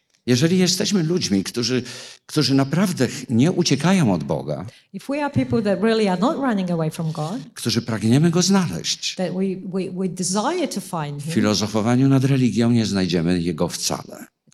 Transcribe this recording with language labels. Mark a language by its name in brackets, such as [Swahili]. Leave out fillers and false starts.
[Polish] Jeżeli jesteśmy ludźmi, którzy naprawdę nie uciekają od Boga, [English] if we are people that really are not running away from God, [Polish] którzy pragniemy Go znaleźć, [English] that we desire to find Him, [Polish] w filozofowaniu nad religią nie znajdziemy Jego wcale.